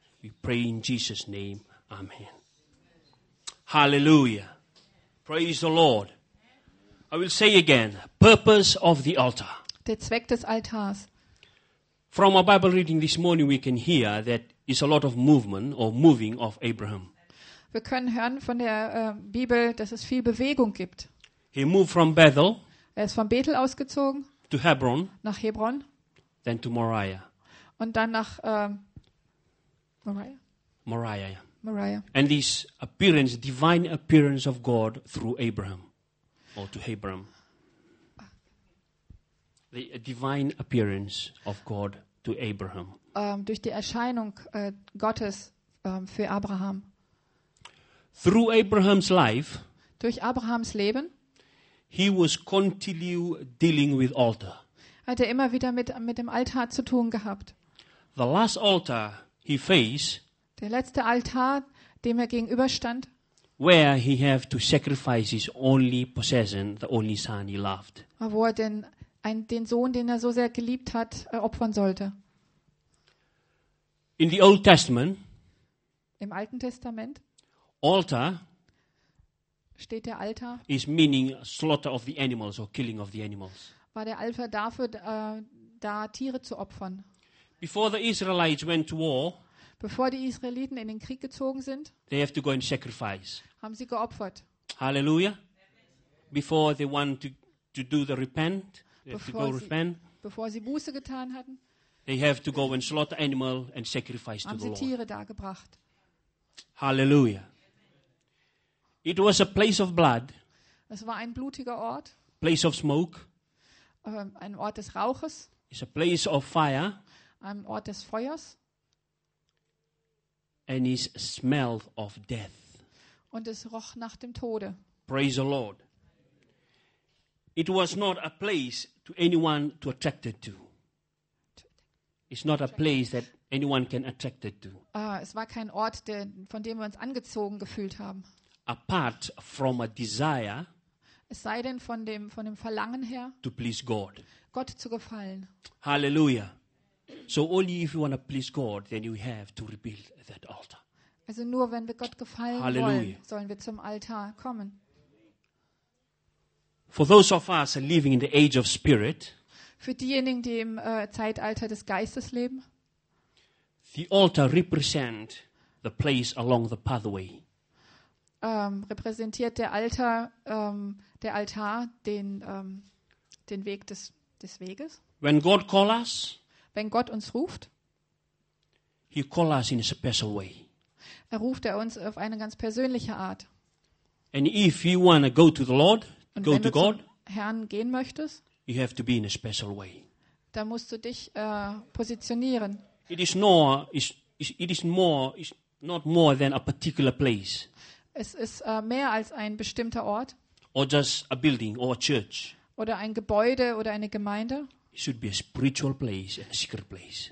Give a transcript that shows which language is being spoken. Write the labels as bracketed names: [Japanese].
[English] We pray in Jesus' name. Amen. Hallelujah. Praise the Lord. I will say again, purpose of the altar. [German] Der Zweck des Altars. [English] From our Bible reading this morning, we can hear that it's a lot of movement or moving of Abraham. [German] Wir können hören von der Bibel, dass es viel Bewegung gibt. [English] He moved from Bethel. [German] Er ist von Bethel ausgezogen. [English] To Hebron. [German] Nach Hebron. [English] Then to Moriah. [German] Und dann nach Moriah. [English] Moriah. Yeah. [German] Moriah. [English] And this appearance, divine appearance of God through Abraham, or to Abraham. The divine appearance of God to Abraham. [German] Durch die Erscheinung Gottes für Abraham. [English] Through Abraham's life. [German] Durch Abrahams Leben. [English] He was continually dealing with altar. [German] Hat er immer wieder mit dem Altar zu tun gehabt. [English] The last altar he faced. [German] Der letzte Altar, dem er gegenüberstand. [English] where he had to sacrifice his only possession, the only son he loved. [German] Wo er denn den Sohn, den er so sehr geliebt hat, opfern sollte. [English] In the Old Testament, [German] im Alten Testament, [English] altar [German] steht der Altar, [English] is meaning slaughter of the animals or killing of the animals. [German] War der Altar dafür da, Tiere zu opfern. [English] Before the Israelites went to war, [German] bevor die Israeliten in den Krieg gezogen sind, [English] they have to go and sacrifice. [German] Haben sie geopfert. Halleluja. [English] Before they want to do the repent, [German] bevor sie Buße getan hatten, [English] they have to go and slaughter animal and sacrifice to the Lord. [German] Haben sie Tiere dargebracht. [English] Halleluja. It was a place of blood. [German] Es war ein blutiger Ort. [English] Place of smoke. [German] Ein Ort des Rauches. [English] It's a place of fire. [German] Ein Ort des Feuers. [English] And it smelled of death. [German] Und es roch nach dem Tode. [English] Praise the Lord. It was not a place to anyone to attract it to. It's not a place that anyone can attract it to. [German] Es war kein Ort, von dem wir uns angezogen gefühlt haben. [English] Apart from a desire. [German] Es sei denn von dem Verlangen her. [English] To please God. [German] Gott zu gefallen. [English] Hallelujah. So only if you want to please God, then you have to rebuild that altar. [German] Also nur wenn wir Gott gefallen Halleluja. Wollen, sollen wir zum Altar kommen. [English] For those of us living in the age of spirit. [German] Für diejenigen, die im Zeitalter des Geistes leben. [English] The altar represent the place along the pathway. [German] Repräsentiert der Altar den Weg des Weges. [English] When God call us, [German] wenn Gott uns ruft, [English] he call us in a special way. [German] Er ruft er uns auf eine ganz persönliche Art. [English] And if you want to go to the Lord, [German] und [English] go to God, [German] Herrn gehen möchtest, [English] you have to be in a special way. [German] Da musst du dich positionieren. [English] It is not more than a particular place. [German] Es ist mehr als ein bestimmter Ort. [English] Or just a building or a church. [German] Oder ein Gebäude oder eine Gemeinde. [English] It should be a spiritual place and a secret place.